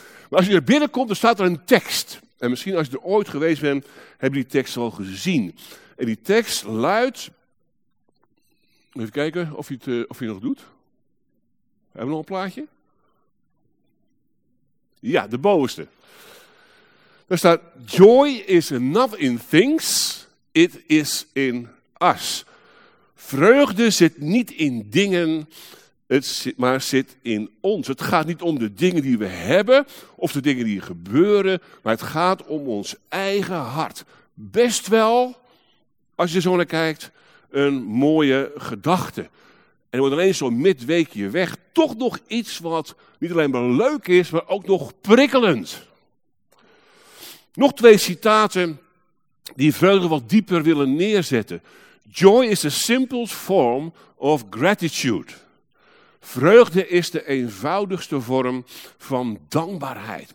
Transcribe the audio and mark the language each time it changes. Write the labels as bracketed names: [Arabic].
[Dutch] Maar als je er binnenkomt, dan staat er een tekst. En misschien als je er ooit geweest bent, heb je die tekst al gezien. En die tekst luidt, even kijken of je het nog doet. Hebben we nog een plaatje? Ja, de bovenste. [English] Daar staat, joy is enough in things, it is in us. [Dutch] Vreugde zit niet in dingen, maar zit in ons. Het gaat niet om de dingen die we hebben, of de dingen die gebeuren, maar het gaat om ons eigen hart. Best wel, als je zo naar kijkt, een mooie gedachte. En er wordt alleen zo'n midweekje weg, toch nog iets wat niet alleen maar leuk is, maar ook nog prikkelend. Nog twee citaten die vreugde wat dieper willen neerzetten. [English] Joy is the simplest form of gratitude. [Dutch] Vreugde is de eenvoudigste vorm van dankbaarheid.